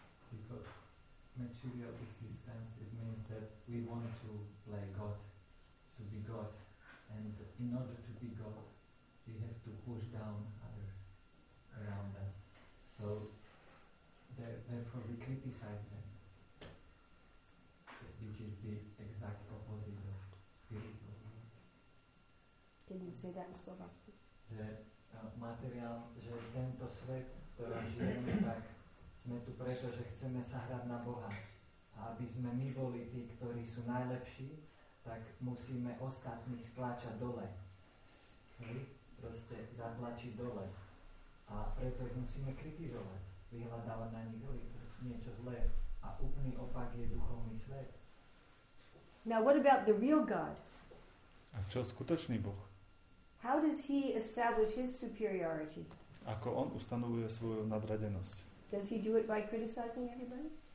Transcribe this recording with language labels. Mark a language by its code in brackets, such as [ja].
[en] Because material existence, it means that we want to play God, to be God, and in order to be God, we have to push down others around us. So, therefore we criticize them, which is the exact opposite of spiritual. Can you say that in Slovak, please? The material, [sk] že tento svet, ktorý žijeme tak, sme tu preto, že chceme sa hrať na Boha. A aby sme my boli tí, ktorí sú najlepší, tak musíme ostatných stlačať dole. Hej? Proste zatlačiť dole. A preto ich musíme kritizovať. Vyhľadávať na nich niečo zlé. A úplný opak je duchovný svet. [en] Now what about the real God? [sk] A čo skutočný Boh? [en] How does he establish his superiority? [sk] Ako on ustanovuje svoju nadradenosť? [en] Does he do it by criticizing everybody?